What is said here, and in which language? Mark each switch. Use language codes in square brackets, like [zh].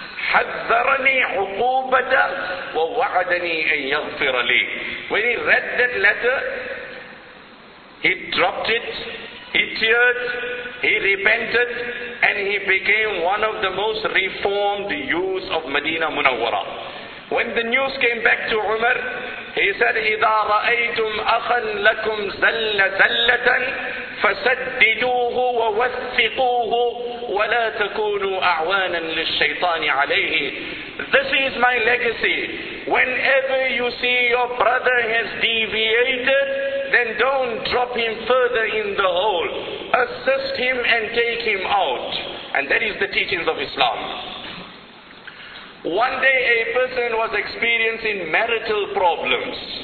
[ar] حَذَّرَنِي عُقُوبَةَ وَوَعَدَنِي أَنْ يَغْفِرَ لِي. [en] When he read that letter, he dropped it, he teared, he repented, and he became one of the most reformed youths of Medina Munawwara. When the news came back to Umar, he said, [ar] إِذَا رَأَيْتُمْ أَخًا لَكُمْ زَلَّ زَلَّةً فَسَدِّدُوهُ وَوَثِّقُوهُ وَلَا تَكُونُوا أَعْوَانًا لِلشَّيْطَانِ عَلَيْهِ. [en] This is my legacy. Whenever you see your brother has deviated, then don't drop him further in the hole. Assist him and take him out. And that is the teachings of Islam. One day a person was experiencing marital problems.